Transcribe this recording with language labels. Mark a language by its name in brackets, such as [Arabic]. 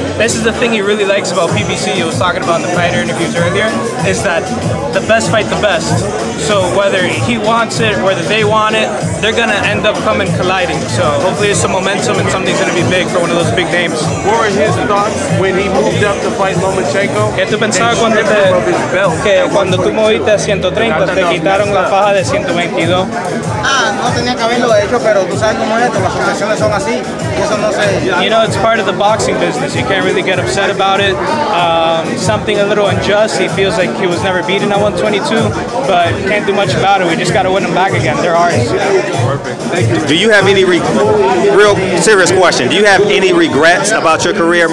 [English] This is the thing he really likes about PBC, he was talking about in the fighter interviews earlier, is that the best fight the best. So whether he wants it, whether they want it, they're going to end up coming colliding. So hopefully there's some momentum and something's going to be big for one of those big names. What were his thoughts when he moved up to fight Lomachenko? [Spanish] ¿Qué tú pensabas cuando que cuando tú moviste a 130 te quitaron la faja de 122? Ah, no tenía que haberlo hecho, pero tú sabes cómo es esto, las asociaciones son así. [English] You know, it's part of the boxing business. You can't really get upset about it. Something a little unjust. He feels like he was never beaten at 122, but can't do much about it. We just got to win them back again. They're ours. Perfect. Thank you. Do you have any real serious question? Do you have any regrets about your career